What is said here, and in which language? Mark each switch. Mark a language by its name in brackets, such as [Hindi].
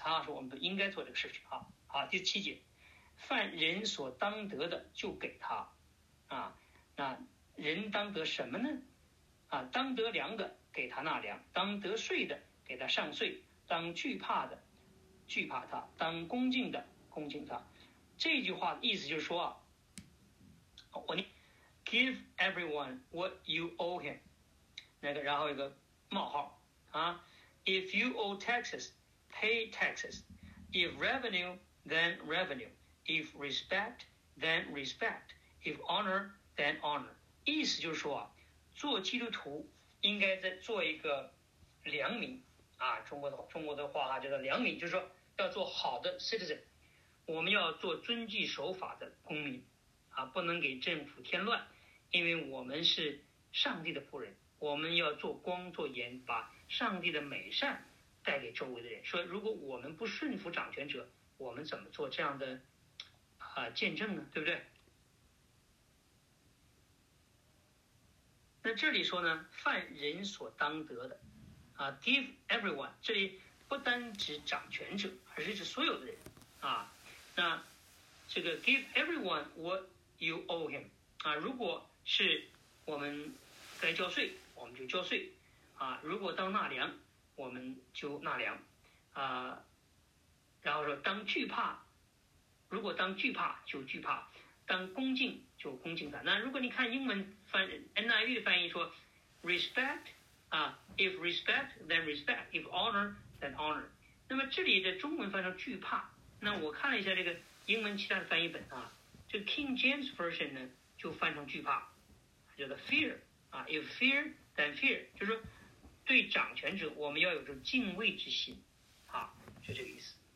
[Chinese] 他说我们不应该做这个事情啊。好，第七节，犯人所当得的就给他啊。那人当得什么呢？啊，当得粮的给他纳粮，当得税的给他上税，当惧怕的惧怕他，当恭敬的恭敬他。 [English] 这句话的意思就是说啊， [Chinese] 我 [English] give everyone what you owe him， [Chinese] 那个然后一个冒号啊， [English] if you owe taxes pay taxes， if revenue then revenue， if respect then respect， if honor then honor。 [Chinese] 意思就是说啊，做基督徒应该在做一个良民啊，中国的话啊，叫做良民，就是说要做好的 citizen， 我们要做遵纪守法的公民啊，不能给政府添乱，因为我们是上帝的仆人，我们要做光做盐，把上帝的美善带给周围的人。说如果我们不顺服掌权者，我们怎么做这样的啊见证呢？对不对？那这里说呢，犯人所当得的啊 ， [English] give everyone， [Chinese] 这里不单指掌权者，而是指所有的人啊。那这个 [English] give everyone what you owe him [Chinese] 啊，如果是我们该交税，我们就交税啊；如果当纳粮，我们就纳粮啊。然后说当惧怕，如果当惧怕就惧怕，当恭敬就恭敬他。那如果你看英文翻 NIV 的翻译说 respect 啊 ， [English] if respect then respect， if honor then honor。 [Chinese] 那么这里的中文翻成惧怕。那我看了一下这个英文其他的翻译本啊，这 King James Version 呢就翻成惧怕，叫做 fear 啊 ， [English] if fear then fear， [Chinese] 就是对掌权者我们要有这种敬畏之心啊，就这个意思。